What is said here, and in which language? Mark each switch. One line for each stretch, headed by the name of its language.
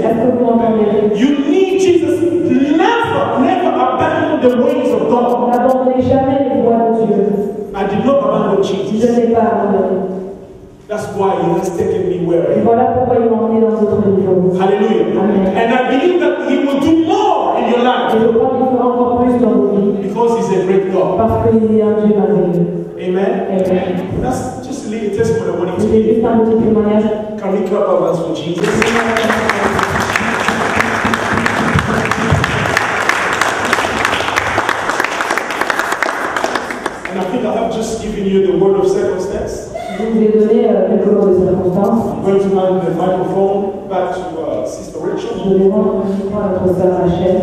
English: me? You need Jesus. Never abandon the ways of God.
French: N'abandonnez jamais les voies de Dieu.
English: I did not abandon Jesus.
French: Je n'ai pas abandonné.
English: That's why He has taken me where.
French: Et voilà pourquoi il m'a emmené dans d'autres niveaux.
English: Hallelujah. Amen. And I believe that He will do more in your life.
French: Et je crois qu'il fera encore plus dans vos vies.
English: Because He's a great God.
French: Parce qu'il est un Dieu merveilleux.
English: Amen. Amen. That's just a little test for the morning to give.
French: Juste un petit témoignage.
English: Can we clap our hands for Jesus? And I think I have just given you the word of circumstance. We're going to hand the microphone back to Sister Rachel.
French: Je vais rendre le micro à notre sœur Rachel.